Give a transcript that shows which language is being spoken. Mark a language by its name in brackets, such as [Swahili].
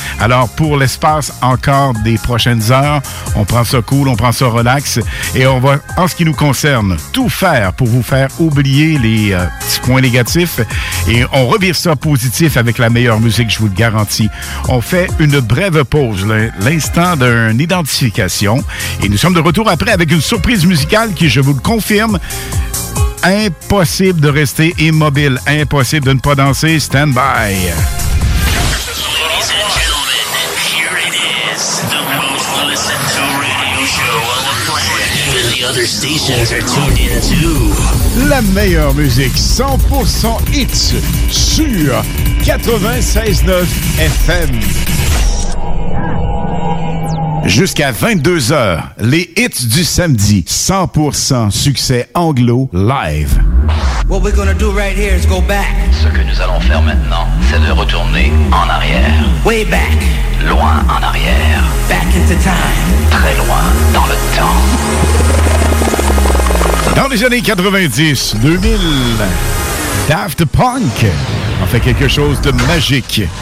[French] Alors, pour l'espace encore des prochaines heures, on prend ça cool, on prend ça relax et on va, en ce qui nous concerne, tout faire pour vous faire oublier les petits points négatifs et on revire ça positif avec la meilleure musique, je vous le garantis. On fait une brève pause, l'instant d'une identification et nous sommes de retour après avec une surprise musicale qui, je vous le confirme, impossible de rester immobile, impossible de ne pas danser. [English] Stand by. Ladies and gentlemen, here it is, the most listened to radio show on the planet. Even the other stations are tuned in too. [French] La meilleure musique, 100% hits, sur 96.9 FM. Jusqu'à 22h, les hits du samedi, 100% succès anglo live. [English] What we're gonna do right here is go back. [French] Ce que nous allons faire maintenant, c'est de retourner en arrière. [English] Way back. [French] Loin en arrière. [English] Back into time. [French] Très loin dans le temps. Dans les années 90, 2000, Daft Punk en fait quelque chose de magique.